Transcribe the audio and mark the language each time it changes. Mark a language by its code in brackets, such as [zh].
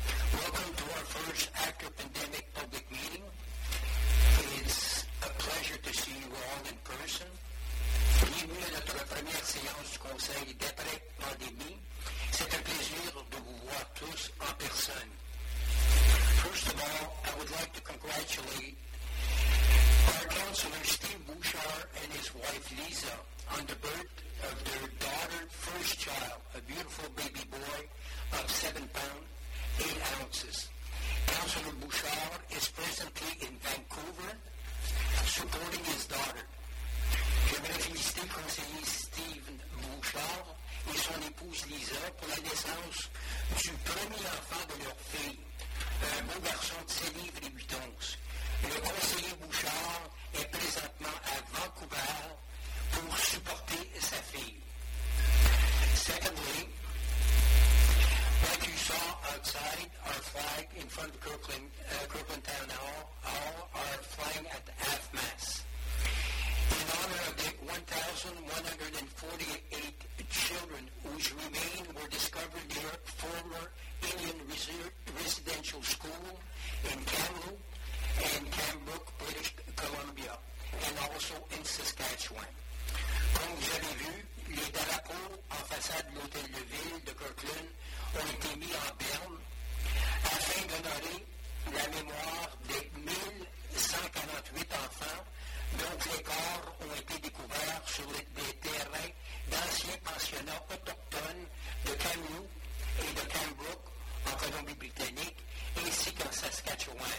[en] Welcome to our first after-pandemic public meeting. It's a pleasure to see you all in person. [fr] Bienvenue à notre première séance du conseil d'après-pandémie. C'est un plaisir de vous voir tous en personne. [en] First of all, I would like to congratulate our counselor Steve Bouchard and his wife Lisa on the birth of their daughter, first child, a beautiful baby boy of 7 pounds, 8 ounces. Counselor Bouchard is presently in Vancouver supporting his daughter. [fr] J'aimerais féliciter le conseiller Steve Bouchard et son épouse Lisa pour la naissance du premier enfant de leur fille, un beau garçon de 7 livres et 8 onces. Le conseiller Bouchard est présentement à Vancouver pour supporter sa fille. [en] Secondly, like you saw outside, our flag in front of Kirkland Town Hall are flying at half mast. In honor of the 1,148 children whose remains were discovered near a former Indian residential school in Kamloops and Cambrook, British Columbia, and also in Saskatchewan. [fr] Comme vous avez vu, les drapeaux en façade de l'hôtel de ville de Kirkland ont été mis en berne afin d'honorer la mémoire des 1148 enfants dont les corps ont été découverts sur des terrains d'anciens pensionnats autochtones de Kamloops et de Cambrook en Colombie-Britannique ainsi qu'en Saskatchewan.